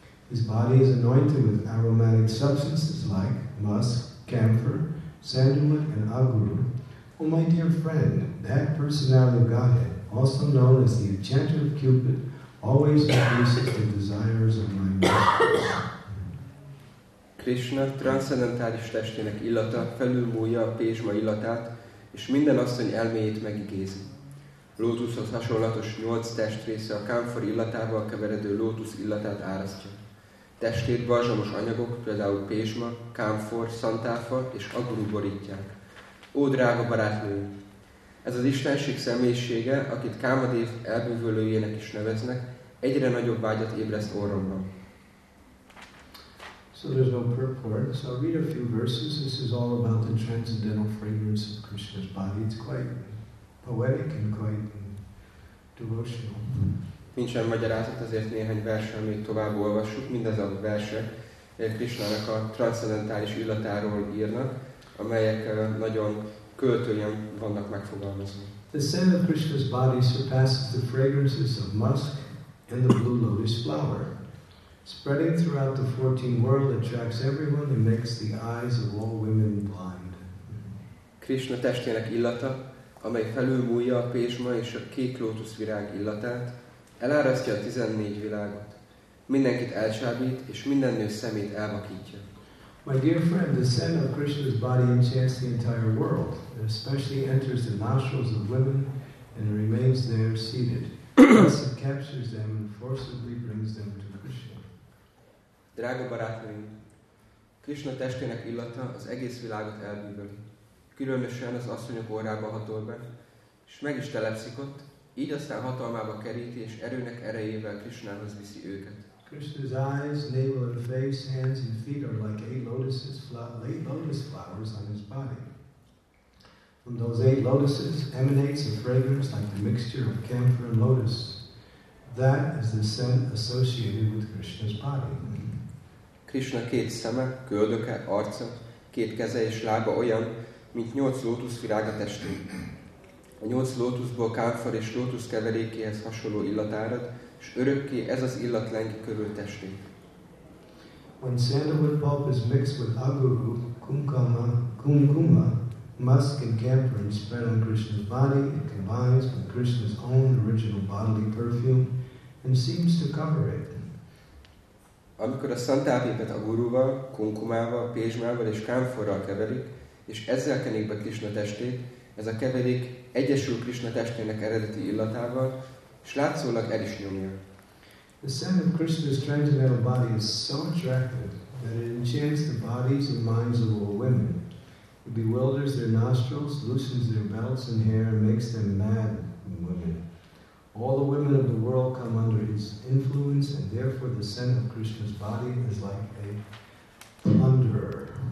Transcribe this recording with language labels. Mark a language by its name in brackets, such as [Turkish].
[English] His body is anointed with aromatic substances like musk, camphor, sandalwood, and aguru. Oh, my dear friend, that personality of Godhead, also known as the enchanter of Cupid, always increases the desires of my nostrils. [Hungarian] Krishna transzendentális testének illata felülmúlja a pézsma illatát, és minden asszony elméjét megigézi. Lótuszhoz hasonlatos nyolc testrésze a kámfor illatával keveredő lótusz illatát árasztja. Testét balzsamos anyagok, például pézsma, kámfor, szantálfa és aguru borítják. Ó, drága barátnő! Ez az istenség személyisége, akit Kámadév elbűvölőjének is neveznek, egyre nagyobb vágyat ébreszt orromban. [English] So there's no purport. So I'll read a few verses. This is all about the transcendental fragrance of Krishna's body. It's quite poetic and quite devotional. [Hungarian] Nincsen magyarázat, azért néhány versen még tovább olvassuk. Mindez a verse Krishnának a transzcendentális illatáról írnak, amelyek nagyon költőjén vannak megfogalmazva. [English] The scent of Krishna's body surpasses the fragrances of musk and the blue lotus flower. Spreading throughout the 14 world attracts everyone and makes the eyes of all women blind. [Hungarian] Krishna testének illata, amely felülmúlja a pésma és a kék lótuszvirág illatát, elárasztja a 14 világot. Mindenkit elcsábít, és minden nő szemét elvakítja. [English] My dear friend, the scent of Krishna's body enchants the entire world, and especially enters the nostrils of women and remains there seated. Thus it captures them and forcibly brings them to Krishna. [Hungarian] Drága barátaim, Krishna testének illata az egész világot elbűvöli. Különösen az asszonyok orrába hatol be, és meg is telepszik ott, így aztán hatalmába keríti, és erőnek erejével Krishnához viszi őket. [English] Krishna's eyes, navel and face, hands and feet are like eight lotus flowers on his body. From those eight lotuses emanates a fragrance like the mixture of camphor and lotus. That is the scent associated with Krishna's body. [Hungarian] Krishna két szeme, köldöke, arca, két keze és lába olyan, mint nyolc lótuszvirág a testén. A nyolc lótuszból kámfor és lótusz keverékéhez hasonló illat árad, és örökké ez az illat lengi körül testét. [English] When sandalwood pulp is mixed with aguru, kumkuma, musk and camphor and spread on Krishna's body, it combines with Krishna's own original bodily perfume and seems to cover it. [Hungarian] Amikor a szantálpépet aguruval, kumkumával, pézsmával és kámforral keverik, és ezzel kenik be Krishna testét, ez a keverék egyesül Krishna testének eredeti illatával, és látszólag el is nyomja. [English] The scent of Krishna's transcendental body is so attractive that it enchants the bodies and minds of all women. It bewilders their nostrils, loosens their belts and hair, and makes them mad women. All the women of the world come under his influence, and therefore the scent of Krishna's body is like a plunderer.